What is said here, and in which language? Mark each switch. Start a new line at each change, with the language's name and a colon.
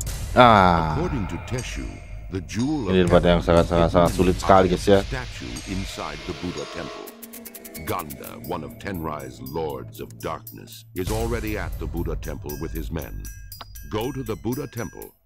English: According to Teshu, the jewel
Indonesian: ini tempat yang sangat sulit sekali guys ya.
English: Statue inside the Buddha temple. Ganda, one of Tenrai's lords of darkness, is already at the Buddha temple with his men. Go to the Buddha temple